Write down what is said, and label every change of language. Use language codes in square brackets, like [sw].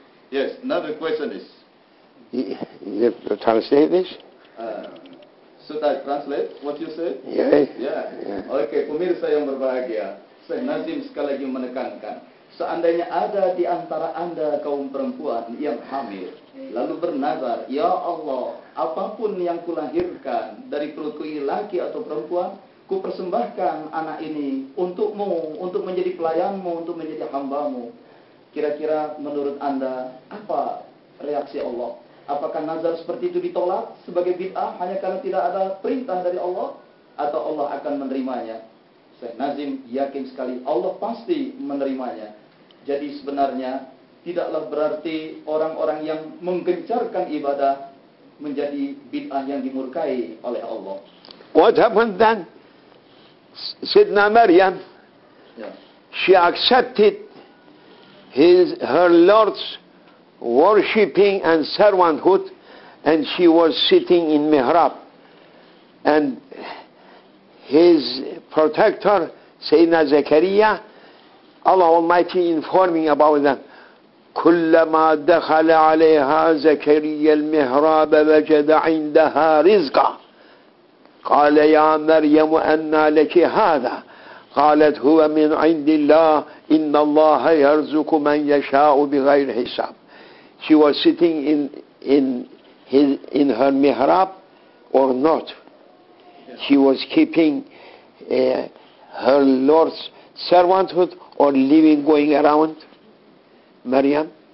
[en] Yes, another question is. You translate this? Should I translate what you said? Yeah. [id] Okay, pemirsa yang berbahagia. Saya Nazim sekali lagi menekankan, seandainya ada di antara anda kaum perempuan yang hamil, lalu bernazar, ya Allah, apapun yang kulahirkan dari perutku ini laki atau perempuan, ku persembahkan anak ini untukmu, untuk menjadi pelayanmu, untuk menjadi hambamu. Kira-kira menurut anda, apa reaksi Allah? Apakah nazar seperti itu ditolak sebagai bid'ah hanya karena tidak ada perintah dari Allah? Atau Allah akan menerimanya? Syekh Nazim yakin sekali Allah pasti menerimanya. Jadi sebenarnya tidaklah berarti orang-orang yang menggencarkan ibadah menjadi bid'ah yang dimurkai oleh Allah. [en] What happened then? Sidna Maryam, she accepted her Lord's worshipping and servanthood, and she was sitting in mihrab, and his protector, Sayyidina Zakaria, Allah Almighty informing about them, [ar] كُلَّمَا دَخَلَ عَلَيْهَا زَكَرِيَّ الْمِهْرَابَ وَجَدَ عِنْدَهَا رِزْقًا قَالَ يَا مَرْيَمُ أَنَّا لَكِ هَذَا قَالَتْ هُوَ مِنْ عِنْدِ اللَّهِ إِنَّ اللَّهَ يَرْزُكُ مَنْ يَشَاءُ بِغَيْرِ حِسَابٍ. [en] She was sitting in her mihrab or not. She was keeping her Lord's servanthood or living, going around, Maryam?